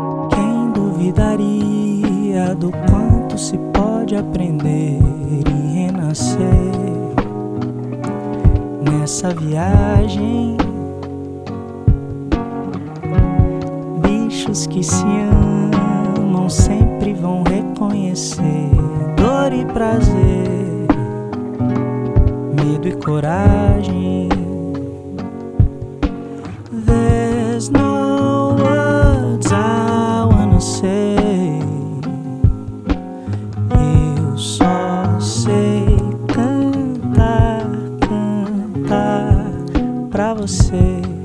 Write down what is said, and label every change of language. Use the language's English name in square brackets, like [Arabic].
[Portuguese] Quem duvidaria do quanto se pode aprender e renascer nessa viagem? Que se amam sempre vão reconhecer dor e prazer, medo e coragem. [English] There's no words I wanna say. [Portuguese] Eu só sei cantar, cantar pra você.